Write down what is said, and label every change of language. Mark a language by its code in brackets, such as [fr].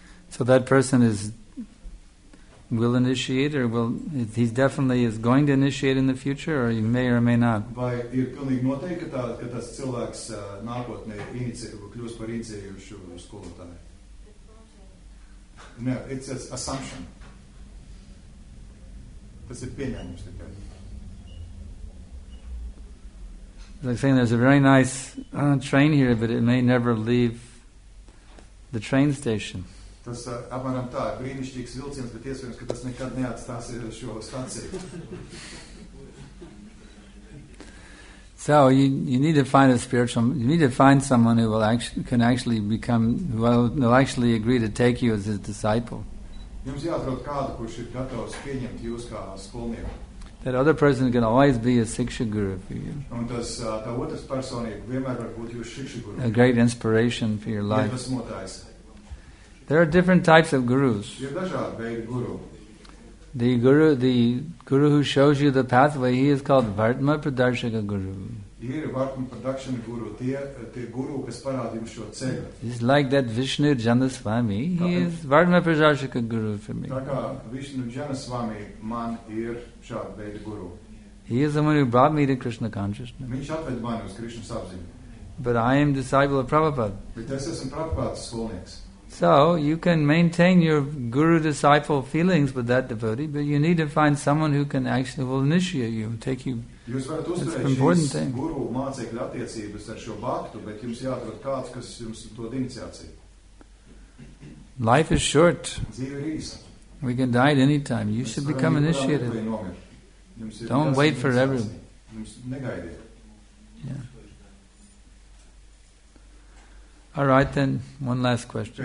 [en] So that person is will initiate, or will he definitely is going to initiate in the future, or he may or may not. [lv] Vai ir pilnīgi noteikti, ka ka tas cilvēks nākotnē kļūs par iniciējušu skolotāju? [en] No, it's an assumption. [lv] Tas ir pieņēmums tikai. [en] Like saying there's a very nice train here, but it may never leave the train station. [lv] Tas apmēram tā, brīnišķīgs vilciens, bet iespējams, ka tas nekad neatstās šo staciju. [en] So you need to find a spiritual, you need to find someone who will actually can actually become will actually agree to take you as his disciple. [lv] Jums jāatrod kādu, kurš ir gatavs pieņemt jūs kā skolnieku. [en] That other person can always be a siksha guru for you. [lv] Un tas, tā otrs personība vienmēr var būt jūs siksha guru. [en] A great inspiration for your life. [lv] Iedvesmotājs. [en] There are different types of gurus. [lv] Ir dažādi veidi guru. [en] The guru who shows you the pathway, he is called Vartma Pradarshaka guru. [lv] Ir Vartma Pradarshaka guru, tie guru, kas parādīja jums šo ceļu. [en] He's like that Vishnu Jana Swami. He is Vartma Pradarshaka guru for me. [lv] Tā kā Vishnu Jana Swami man ir šādi veidi guru. [en] He is the one who brought me to Krishna consciousness. [lv] Viņš atved mani uz Krishna sapziņu. [en] But I am disciple of Prabhupada. [lv] Bet es esmu Prabhupada skolnieks. [en] So, you can maintain your guru-disciple feelings with that devotee, but you need to find someone who can actually will initiate you, take you. It's an important thing. [lv] Guru-mācekļa attiecības ar šo baktu, bet jums jāatrod kāds, kas jums dod iniciāciju. [en] Life is short. [lv] Dzīve ir īsa. [en] We can die at any time. You should become initiated. Don't wait for everyone. [lv] Jums negaidiet. [en] Yeah. All right, then, one last question.